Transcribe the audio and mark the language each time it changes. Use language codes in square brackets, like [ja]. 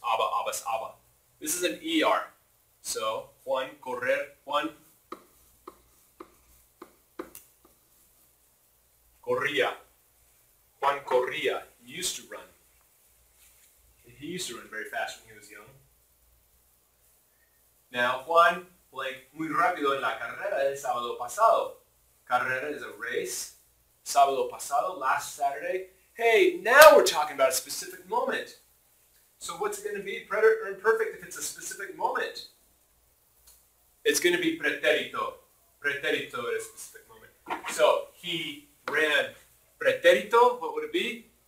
[en] Aba, abas, aba. This is an ER. So, Juan, correr, Juan. [es] Corría. Juan corría. [en] He used to run. He used to run very fast when he was young. [es] Now, Juan, like, muy rápido en la carrera del sábado pasado. [en] Carrera is a race. [es] Sábado pasado, [en] last Saturday. Hey, now we're talking about a specific moment. So what's it going to be, preterite or imperfect, if it's a specific moment? It's going to be preterito. Preterito at a specific moment. So he ran preterito. What would it be?